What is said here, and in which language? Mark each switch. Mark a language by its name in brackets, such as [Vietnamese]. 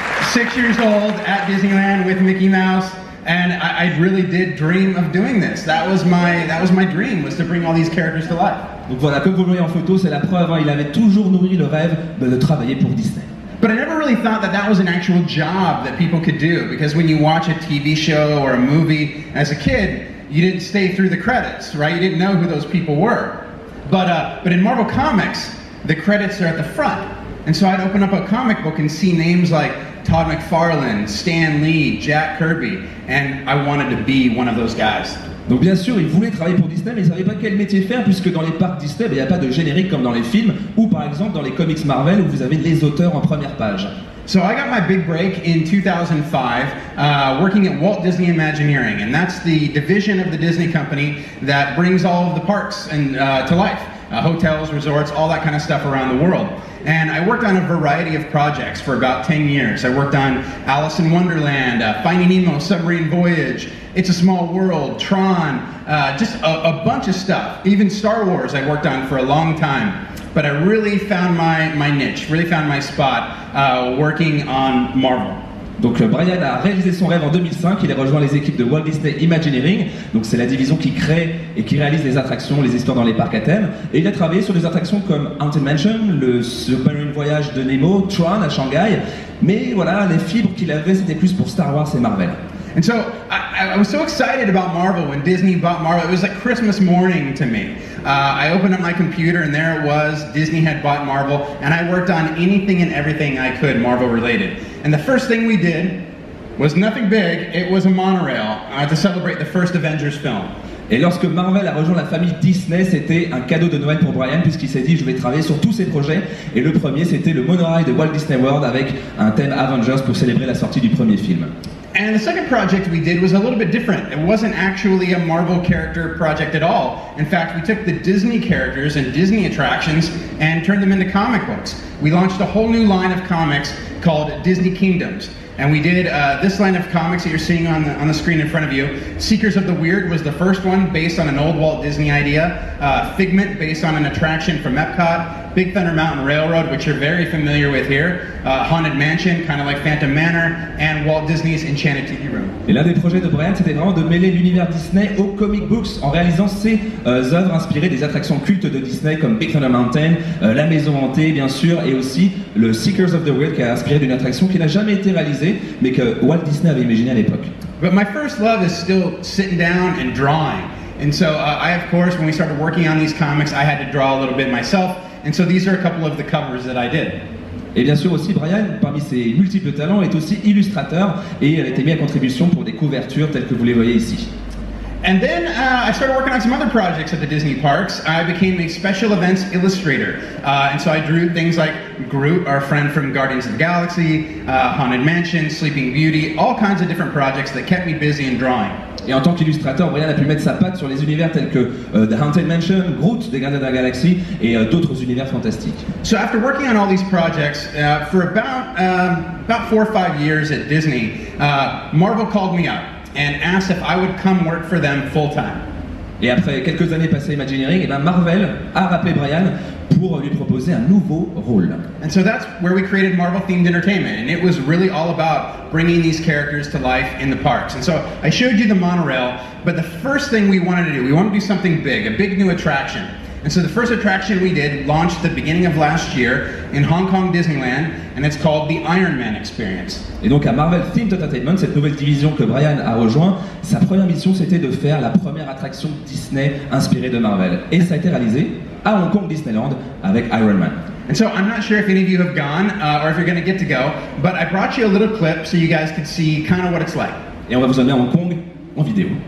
[English] Six years old at Disneyland with Mickey Mouse. And I really did dream of doing this. That was my dream, was to bring all these characters to life. [French] Donc voilà, comme vous le voyez en photo, c'est la preuve, hein, il avait toujours nourri le rêve de travailler pour Disney. [English] But I never really thought that was an actual job that people could do, because when you watch a TV show or a movie as a kid, you didn't stay through the credits, right? You didn't know who those people were. But in Marvel Comics, the credits are at the front. And so I'd open up a comic book and see names like Todd McFarlane, Stan Lee, Jack Kirby, and I wanted to be one of those guys. [French] Donc bien sûr, il voulait travailler pour Disney, mais il savait pas quel métier faire, puisque dans les parcs Disney, il n'y a pas de générique comme dans les films, ou par exemple dans les comics Marvel, où vous avez les auteurs en première page. [English] So I got my big break in 2005, working at Walt Disney Imagineering, and that's the division of the Disney company that brings all of the parks and to life. Hotels, resorts, all that kind of stuff around the world. And I worked on a variety of projects for about 10 years. I worked on Alice in Wonderland, Finding Nemo, Submarine Voyage, It's a Small World, Tron, just a bunch of stuff. Even Star Wars I worked on for a long time. But I really found my niche, really found my spot working on Marvel. [French] Donc Brian a réalisé son rêve en 2005, il a rejoint les équipes de Walt Disney Imagineering, donc c'est la division qui crée et qui réalise les attractions, les histoires dans les parcs à thème, et il a travaillé sur des attractions comme Haunted Mansion, le Submarine Voyage de Nemo, Tron à Shanghai, mais voilà, les fibres qu'il avait c'était plus pour Star Wars et Marvel. [English] And so, I was so excited about Marvel when Disney bought Marvel. It was like Christmas morning to me. I opened up my computer and there it was. Disney had bought Marvel. And I worked on anything and everything I could Marvel related. And the first thing we did was nothing big. It was a monorail to celebrate the first Avengers film. [French] Et lorsque Marvel a rejoint la famille Disney, c'était un cadeau de Noël pour Brian puisqu'il s'est dit je vais travailler sur tous ses projets. Et le premier, c'était le monorail de Walt Disney World avec un thème Avengers pour célébrer la sortie du premier film. [English] And the second project we did was a little bit different. It wasn't actually a Marvel character project at all. In fact, we took the Disney characters and Disney attractions and turned them into comic books. We launched a whole new line of comics called Disney Kingdoms. And we did this line of comics that you're seeing on the screen in front of you. Seekers of the Weird was the first one, based on an old Walt Disney idea. Figment, based on an attraction from Epcot. Big Thunder Mountain Railroad, which you're very familiar with here. Haunted Mansion, kind of like Phantom Manor. And Walt Disney's Enchanted Tiki Room. [French] Et l'un des projets de Brian, c'était vraiment de mêler l'univers Disney aux comic books, en réalisant ses œuvres inspirées des attractions cultes de Disney, comme Big Thunder Mountain, La Maison Hantée, bien sûr, et aussi le Seekers of the Weird, qui a inspiré d'une attraction qui n'a jamais été réalisée, mais que Walt Disney avait imaginée à l'époque. [English] But my first love is still sitting down and drawing. And so I, of course, when we started working on these comics, I had to draw a little bit myself. And so these are a couple of the covers that I did. [French] Et bien sûr aussi, Brian, parmi ses multiples talents, est aussi illustrateur et il a été mis à contribution pour des couvertures telles que vous les voyez ici. [English] And then I started working on some other projects at the Disney parks. I became a special events illustrator. And so I drew things like Groot, our friend from Guardians of the Galaxy, Haunted Mansion, Sleeping Beauty, all kinds of different projects that kept me busy in drawing. [French] Et en tant qu'illustrateur, Brian a pu mettre sa patte sur les univers tels que The Haunted Mansion, Groot, des Gardiens de la Galaxie et d'autres univers fantastiques. [English] So after working on all these projects, for about 4 or 5 years at Disney, Marvel called me up. and asked if I would come work for them full time. [French] Et après quelques années passées à Imagineering, et ben Marvel a rappelé Brian pour lui proposer un nouveau rôle. [English] And so that's where we created Marvel Themed Entertainment, and it was really all about bringing these characters to life in the parks. And so I showed you the monorail, but the first thing we wanted to do, we wanted to do something big, a big new attraction. And so the first attraction we did launched at the beginning of last year in Hong Kong Disneyland, and it's called the Iron Man Experience. [French] Et donc à Marvel Themed Entertainment, cette nouvelle division que Brian a rejoint, sa première mission c'était de faire la première attraction Disney inspirée de Marvel. Et ça a été réalisé à Hong Kong Disneyland avec Iron Man. [English] And so I'm not sure if any of you have gone or if you're going to get to go, but I brought you a little clip so you guys could see kind of what it's like. [French] Et on va vous emmener à Hong Kong en vidéo.